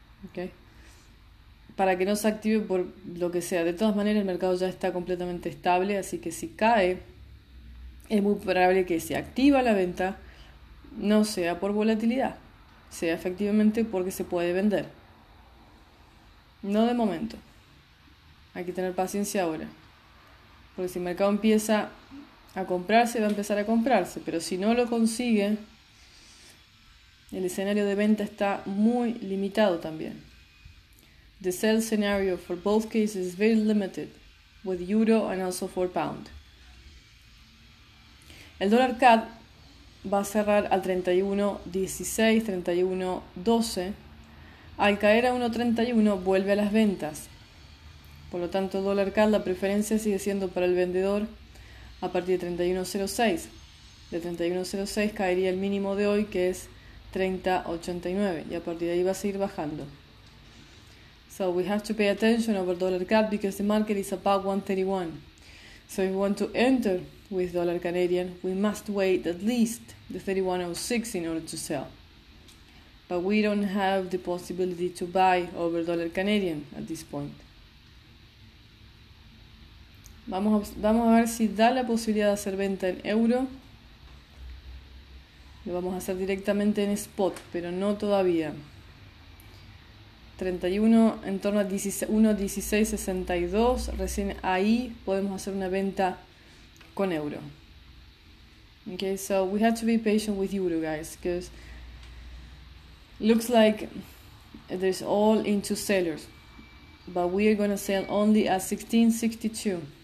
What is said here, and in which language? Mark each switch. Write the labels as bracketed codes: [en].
[es] Okay. Para que no se active por lo que sea. De todas maneras, el mercado ya está completamente estable, así que si cae, es muy probable que se activa la venta, no sea por volatilidad, sea efectivamente porque se puede vender. No de momento. Hay que tener paciencia ahora. Porque si el mercado empieza a comprarse, va a empezar a comprarse. Pero si no lo consigue, el escenario de venta está muy limitado también. [en] The sell scenario for both cases is very limited, with euro and also for pound. [es] El dólar CAD va a cerrar al 31.16, 31.12. Al caer a 1.31, vuelve a las ventas. Por lo tanto, dólar CAD, la preferencia sigue siendo para el vendedor a partir de 31.06. De 31.06 caería el mínimo de hoy, que es 30.89, y a partir de ahí va a seguir bajando. [en] So we have to pay attention over dollar CAD because the market is about 131. So if we want to enter with dollar Canadian, we must wait at least the 31.06 in order to sell. But we don't have the possibility to buy over dollar Canadian at this point. [es] Vamos a ver si da la posibilidad de hacer venta en euro. Lo vamos a hacer directamente en spot, pero no todavía. 31 en torno a 1.1662, recién ahí podemos hacer una venta con euro. [en] Okay, so we have to be patient with euro, guys, because looks like there's all into sellers, but we are going to sell only at 16.62.